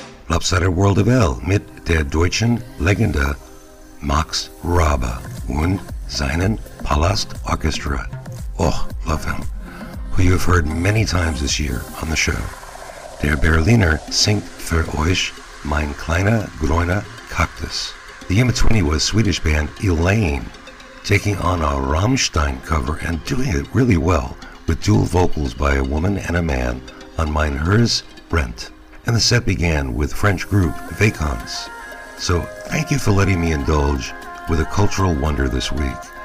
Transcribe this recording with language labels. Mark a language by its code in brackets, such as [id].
[de] Lopsided World of L mit der deutschen Legende Max Rabe und seinen Palast Orchestra. [en] Oh, love him. Who you have heard many times this year on the show. [de] Der Berliner singt für euch Mein kleiner grüner Kaktus. [en] The in-between was Swedish band Elaine taking on a Rammstein cover and doing it really well with dual vocals by a woman and a man on Mein Hers Brent. And the set began with French group Vacants. So thank you for letting me indulge with a cultural wonder this week.